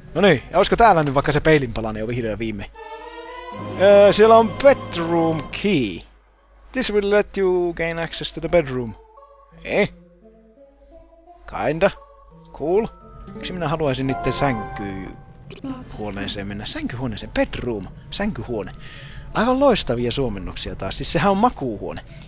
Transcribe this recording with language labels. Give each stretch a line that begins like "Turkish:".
Finnish: No niin, ja olisiko täällä nyt vaikka se peilinpalanen jo vihdoin viime? Siellä on bedroom key.
English: This will let you gain access to the bedroom. Kinda. Cool.
Finnish: Miksi minä haluaisin niitten sänkyhuoneeseen mennä? Sänkyhuoneeseen, bedroom, sänkyhuone. Aivan loistavia suomennuksia taas, siis sehän on makuuhuone.